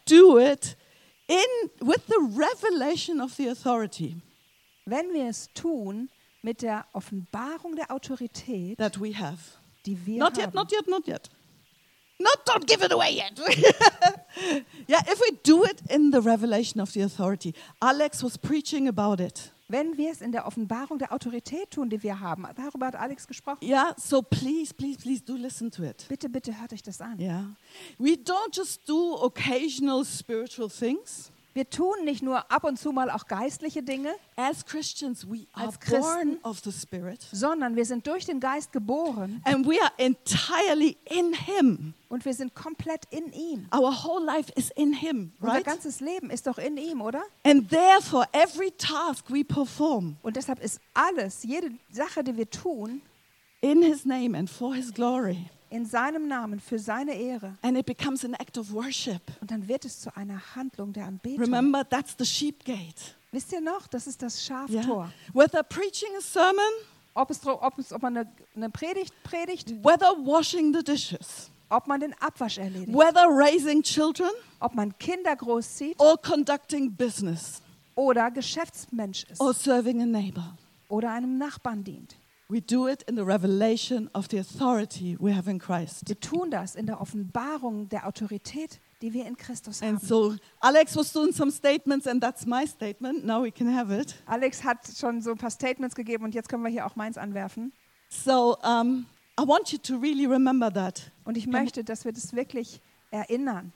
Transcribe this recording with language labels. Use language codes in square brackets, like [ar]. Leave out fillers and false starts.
[en] we do it in with the revelation of the authority, [de] wenn wir es tun mit der Offenbarung der Autorität, [en] that we have, [de] die wir [en] not [de] haben, [en] yet, not yet, not yet, not, don't give it away yet. Yeah, if we do it in the revelation of the authority, Alex was preaching about it. [de] Wenn wir es in der Offenbarung der Autorität tun, die wir haben, darüber hat Alex gesprochen. [en] Ja, yeah, so please, please, please do listen to it. [de] Bitte, bitte hört euch das an. [en] Ja. Yeah. We don't just do occasional spiritual things. [de] Wir tun nicht nur ab und zu mal auch geistliche Dinge. [en] As Christians, we are born of the Spirit. [de] Sondern wir sind durch den Geist geboren. [en] And we are entirely in Him. [de] Und wir sind komplett in ihm. [en] Our whole life is in Him, right? [de] Unser ganzes Leben ist doch in ihm, oder? [en] And therefore, every task we perform. [de] Und deshalb ist alles, jede Sache, die wir tun, [en] in His name and for His glory. [de] In seinem Namen, für seine Ehre. [en] And it becomes an act of worship. [de] Und dann wird es zu einer Handlung der Anbetung. [en] Remember, that's the sheep gate. [de] Wisst ihr noch, das ist das Schaftor. Yeah. [en] Whether preaching a sermon, [de] ob man eine Predigt predigt, [en] whether washing the dishes, [de] ob man den Abwasch erledigt, [en] whether raising children, [de] ob man Kinder großzieht, [en] or conducting business, [de] oder Geschäftsmensch ist, [en] or serving a neighbor, [de] oder einem Nachbarn dient. [en] We do it in the revelation of the authority we have in Christ. [de] Wir tun das in der Offenbarung der Autorität, die wir in Christus haben. [en] And so Alex was doing some statements and that's my statement. Now we can have it. [de] Alex hat schon so ein paar Statements gegeben und jetzt können wir hier auch meins anwerfen. [en] So I want you to really remember that. [de] Und ich möchte, dass wir das wirklich erinnern.